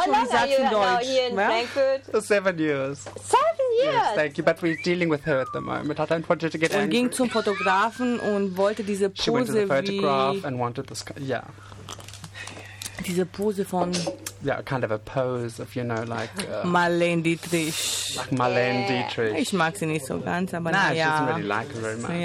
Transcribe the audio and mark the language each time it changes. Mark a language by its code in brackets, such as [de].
[en] How long are you now here in Frankfurt? 7 years. 7 years? Yes, thank you, but we're dealing with her at the moment. I don't want her to get angry. [de] Und ging zum Fotografen und wollte diese Pose [en] She went to the photograph and wanted this... Yeah. [de] Diese Pose von... [en] Yeah, kind of a pose of, you know, like... Marlene Dietrich. Like Marlene Dietrich. [de] Ich mag sie nicht so ganz, aber naja. [en] Nah, she doesn't really like her very much.